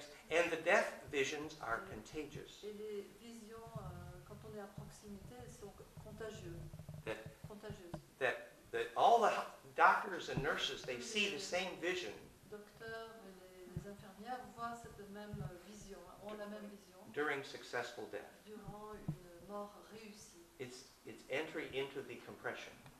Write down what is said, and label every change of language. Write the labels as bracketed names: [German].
[English] And the death visions are contagious. [French] Et les visions, quand on est à proximité, sont contagieuses. [English] That that all the doctors and nurses, they see the same vision. [French] Docteurs, infirmières voient cette même vision, ont la même vision. [English] During successful death. [French] Durant une mort réussie. [English] It's entry into the compression.